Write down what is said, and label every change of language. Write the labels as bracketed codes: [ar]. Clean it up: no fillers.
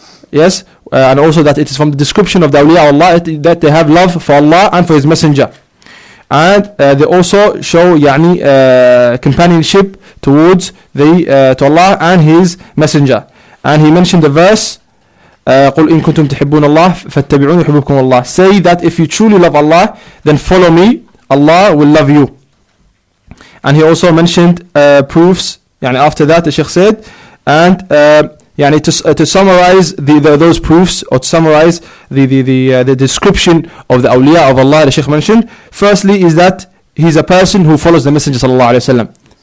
[en] Yes, and also that it is from the description of the awliya of Allah that they have love for Allah and for his Messenger. And they also show companionship towards to Allah and his Messenger. And he mentioned the verse, [ar] قُلْ إِن كُنْتُمْ تُحِبُّونَ اللَّهِ فَاتَّبِعُونَ يُحِبُّكُمْ اللَّهِ. [en] Say that if you truly love Allah, then follow me, Allah will love you. And he also mentioned proofs, after that the Sheikh said, and Yani to summarize those proofs, or to summarize the description of the awliya of Allah, the Sheikh mentioned, firstly is that he's a person who follows the Messenger sallallahu alayhi wa sallam.